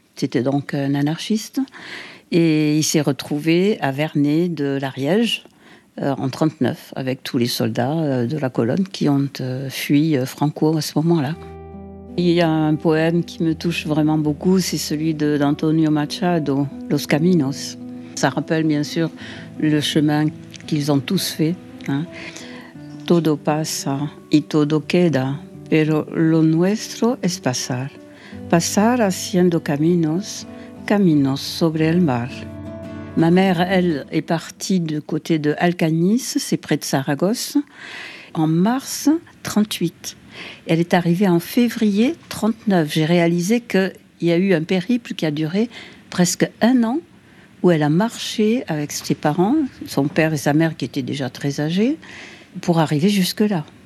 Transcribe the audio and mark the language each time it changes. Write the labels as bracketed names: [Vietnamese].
[French] C'était donc un anarchiste. Et il s'est retrouvé à Vernet de l'Ariège en 39 avec tous les soldats de la colonne qui ont fui Franco à ce moment-là. Il y a un poème qui me touche vraiment beaucoup, c'est celui d'Antonio Machado, Los Caminos. Ça rappelle bien sûr le chemin qu'ils ont tous fait. Hein. [Spanish] Todo pasa y todo queda, pero lo nuestro es pasar. Pasar haciendo caminos, caminos sobre el mar. [French] Ma mère, elle, est partie du côté de Alcañiz, c'est près de Saragosse, en mars 38. Elle est arrivée en février 39. J'ai réalisé qu'il y a eu un périple qui a duré presque un an où elle a marché avec ses parents, son père et sa mère qui étaient déjà très âgés, pour arriver jusque-là.